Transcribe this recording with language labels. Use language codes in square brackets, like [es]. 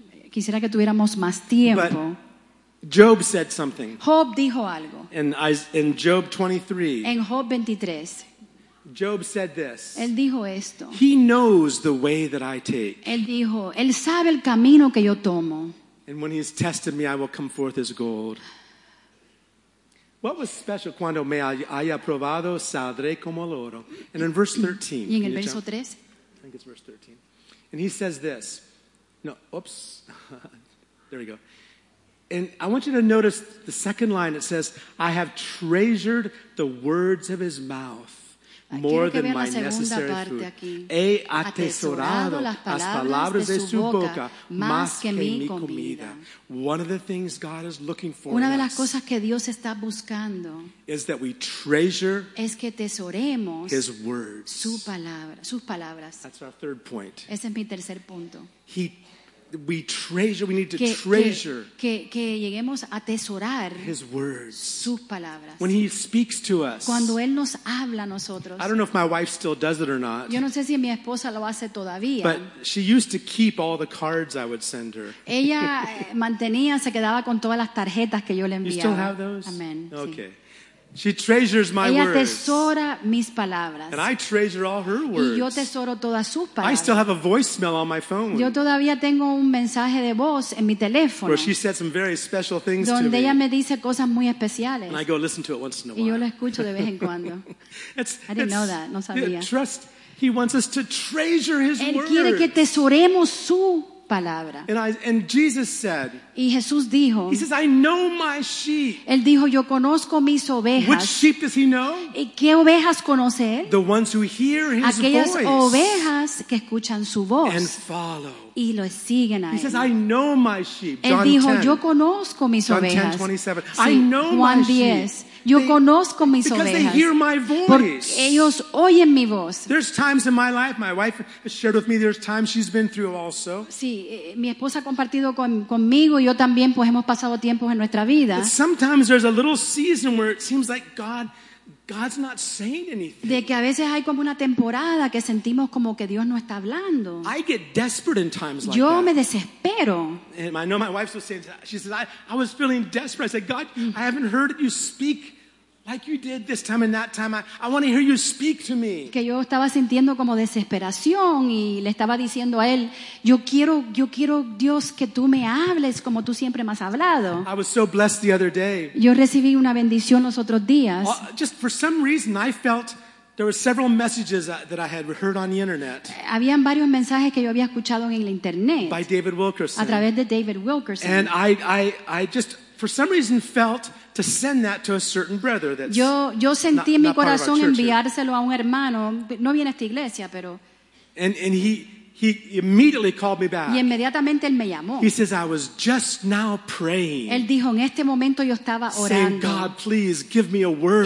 [es] Quisiera que tuviéramos más tiempo. [en] But Job said something. [es] Job dijo algo. [en] In Job 23. [es] En Job 23. [en] Job said this. [es] Él dijo esto. [en] He knows the way that I take. [es] Él dijo, él sabe el camino que yo tomo. [en] And when he has tested me, I will come forth as gold. What was special? [es] Cuando me haya probado, saldré como el oro. [en] And in verse 13. [es] Y en el verso 3. [en] I think it's verse 13. And he says this. No, oops. There we go. And I want you to notice the second line. It says, I have treasured the words of his mouth. More than my necessary food. [es] Aquí. He atesorado las palabras de su boca más que mi comida. [en] One of the things God is looking for [es] una de las cosas que Dios está buscando [en] is that we treasure [es] es que tesoremos [en] his words. [es] Su palabra, sus palabras. [en] That's our third point. [es] Ese es mi tercer punto. [en] We treasure, we need to treasure [es] que lleguemos a atesorar [en] his words. [es] Sus palabras. [en] When he speaks to us. [es] Cuando él nos habla a nosotros. [en] I don't know if my wife still does it or not. [es] Yo no sé si mi esposa lo hace todavía. [en] But she used to keep all the cards I would send her. [es] Ella mantenía, se quedaba con todas las tarjetas que yo le enviaba. [en] You still have those? Amen. Okay. [es] Sí. [en] She treasures my [es] ella [en] words. [es] Ella atesora mis palabras. [en] And I treasure all her words. [es] Y yo atesoro todas sus palabras. [en] I still have a voicemail on my phone. [es] Yo todavía tengo un mensaje de voz en mi teléfono. [en] Where she said some very special things to me. [es] Donde ella me dice cosas muy especiales. [en] And I go listen to it once in a while. [es] Y yo lo escucho de vez en cuando. [en] I didn't know that. [es] No sabía. [en] Trust. He wants us to treasure his words. [es] Él quiere que atesoremos su palabra. [en] And Jesus said, [es] y Jesús dijo, [en] he says, I know my sheep. [es] Él dijo, yo conozco mis ovejas. [en] Which sheep does he know? [es] ¿Y qué ovejas conoce él? [en] The ones who hear his [es] aquellas [en] voice. [es] Aquellas ovejas que escuchan su voz. [en] And follow. [es] Y lo siguen a [en] he [es] él. [en] Says, I know my sheep. [es] Él [en] John [es] dijo, [en] 10. [es] Yo conozco mis [en] John [es] ovejas. [en] John 10, 27. [es] Sí, [en] I know [es] Juan [en] my [es] 10. [en] Sheep. [es] Yo conozco mis ovejas. [en] They hear my voice. [es] Porque ellos oyen mi voz. [en] There's times in my life, my wife has shared with me, there's times she's been through also. [es] Sí, mi esposa ha compartido conmigo y yo también, pues hemos pasado tiempos en nuestra vida. [en] But sometimes there's a little season where it seems like God's not saying anything. [es] De que a veces hay como una temporada que sentimos como que Dios no está hablando. [en] I get desperate in times like [es] yo [en] that. [es] Yo me desespero. [en] And I know my wife was saying, she said, I was feeling desperate. I said, God, I haven't heard you speak like you did this time and that time. I want to hear you speak to me. [es] Que yo estaba sintiendo como desesperación y le estaba diciendo a él, yo quiero Dios que tú me hables como tú siempre me has hablado. [en] I was so blessed the other day. [es] Yo recibí una bendición los otros días. [en] Just for some reason I felt there were several messages that I had heard on the internet. [es] Habían varios mensajes que yo había escuchado en el internet. [en] By David Wilkerson. [es] A través de David Wilkerson. [en] And I just for some reason felt to send that to a certain brother that's [es] yo sentí en mi corazón enviárselo a un hermano, no viene a esta iglesia, pero [en] and he immediately called me back. [es] Y inmediatamente él me llamó. [en] He says, I was just now praying. [es] Él dijo, en este momento yo estaba orando. [en] Saying, God, please give me a word.